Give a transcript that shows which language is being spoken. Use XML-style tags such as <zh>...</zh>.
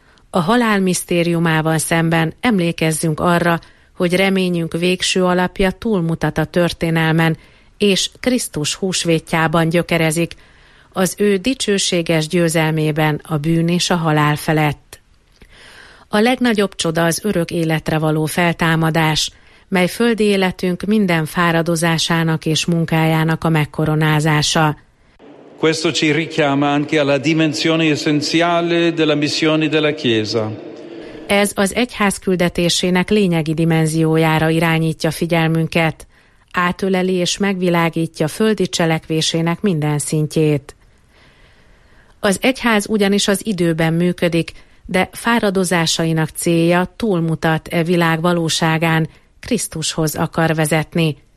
<hu>A halál misztériumával szemben emlékezzünk arra, hogy reményünk végső alapja túlmutat a történelmen, és Krisztus húsvétjában gyökerezik, az ő dicsőséges győzelmében a bűn és a halál felett. A legnagyobb csoda az örök életre való feltámadás, mely földi életünk minden fáradozásának és munkájának a megkoronázása.</hu> <it>Questo ci richiama anche alla dimensione essenziale della missione della Chiesa.</it> <hu>Ez az egyház küldetésének lényegi dimenziójára irányítja figyelmünket, átöleli és megvilágítja földi cselekvésének minden szintjét. Az egyház ugyanis az időben működik, de fáradozásainak célja túlmutat e világ valóságán, Krisztushoz akar vezetni.</hu>